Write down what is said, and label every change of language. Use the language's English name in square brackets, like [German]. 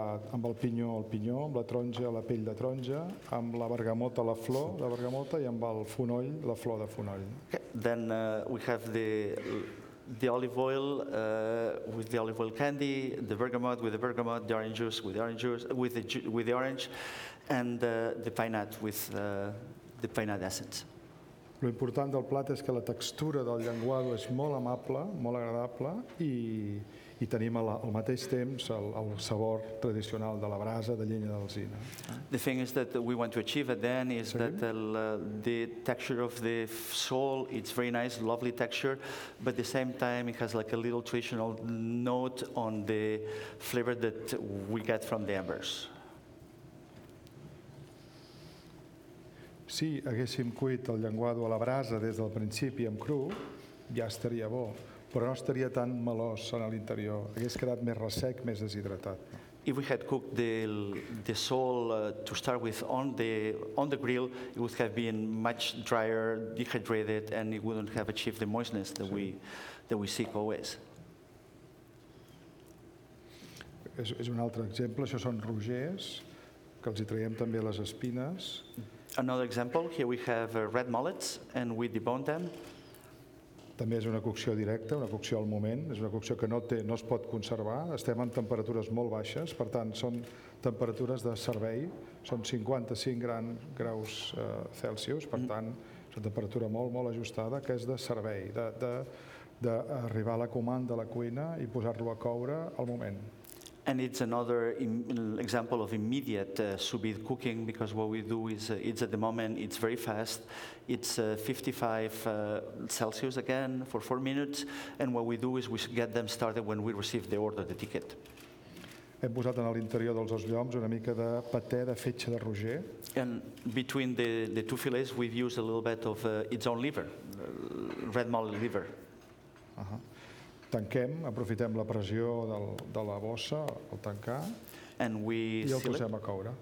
[Catalan] Amb el pinyó, amb la taronja, la pell de taronja, amb la bergamota, la flor de bergamota I amb el fonoll, la flor de fonoll. [English] Then we have the olive oil with the olive oil candy, the bergamot with the bergamot, the orange juice with the orange juice, with the orange, and the pine nut with the pine nut essence. [Catalan] Lo important del plat és que la textura del llenguado és molt amable, molt agradable I tenim al mateix temps el sabor tradicional de la brasa de llenya d'alzina. [English] The thing is that we want to achieve at the end is that the texture of the sole, it's very nice, lovely texture, but at the same time it has like a little traditional note on the flavor that we get from the embers. [Catalan] Si haguéssim cuit el llenguado a la brasa des del principi en cru, ja estaria bo. Però no estaria tan melós en l'interior. Hagués quedat més ressec, més deshidratat. [English] If we had cooked the sole to start with on the grill, it would have been much drier, dehydrated, and it wouldn't have achieved the moistness that we seek always. [Catalan] És un altre exemple. Això són rogers, que els hi traiem també les espines. [English] Another example, here we have red mullets, and we debone them. [Catalan] També és una cocció directa, una cocció al moment, és una cocció que no es pot conservar, estem en temperatures molt baixes, per tant, són temperatures de servei, són 55 graus Celsius, per tant, és una temperatura molt, molt ajustada, que és de servei, d'arribar a la comanda a la cuina I posar-lo a coure al moment. [English] And it's another example of immediate sous-vide cooking because what we do is it's at the moment, it's very fast. It's 55 Celsius again for 4 minutes. And what we do is we get them started when we receive the order, the ticket. [Catalan] Hem posat en l'interior dels dos lloms una mica de paté de fetge de roger. [English] And between the two fillets, we've used a little bit of its own liver, red mullet liver. [Catalan] Tanquem, aprofitem la pressió de la bossa, el tancar, I el posem a coure.